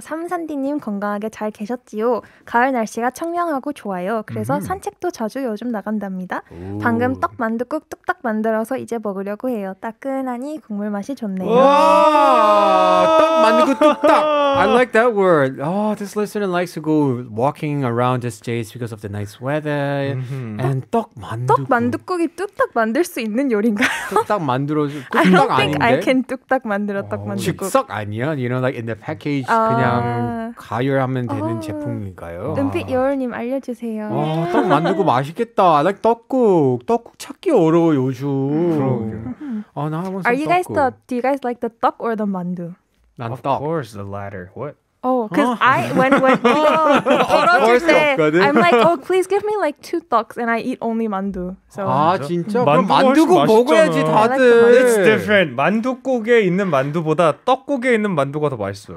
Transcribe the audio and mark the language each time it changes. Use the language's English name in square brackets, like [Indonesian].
[Korean] 삼산디님 건강하게 잘 계셨지요. 가을 날씨가 청량하고 좋아요. 그래서 산책도 자주 요즘 나간답니다. 오. 방금 떡 만두국 뚝딱 만들어서 이제 먹으려고 해요. 따끈하니 국물 맛이 좋네요. 와! 떡 만두국 뚝딱. [English] I like that word. Oh, this listener likes to go walking around the states because of the nice weather. [Korean] And 떡 만두. 떡 만두국이 뚝딱 만들 수 있는 요리인가요? 뚝딱 만들어. [English] I don't think [Korean] 아닌데? [English] I can [Korean] 뚝딱 만들어 떡 만들고 즉석 아니야? [English] You know like in the package [Korean] 그냥 가열하면 되는 제품인가요? 은빛 여울님 알려주세요. 떡 만들고 맛있겠다. [English] I like [Korean] 떡국. 떡국 찾기 어려워 요즘. [English] Are you 떡국. Guys the do you guys like the 떡 or the 만두? [Korean] 난 [English] of [Korean] 떡. [English] Course the latter. What? Oh, because I when people order, I'm like, oh, please give me like 2 떡s, and I eat only 만두. So [Korean] 아 진짜 그럼 만두국 먹어야지 다들. [English] Like it's different. [Korean] 만두국에 있는 만두보다 떡국에 있는 만두가 더 맛있어.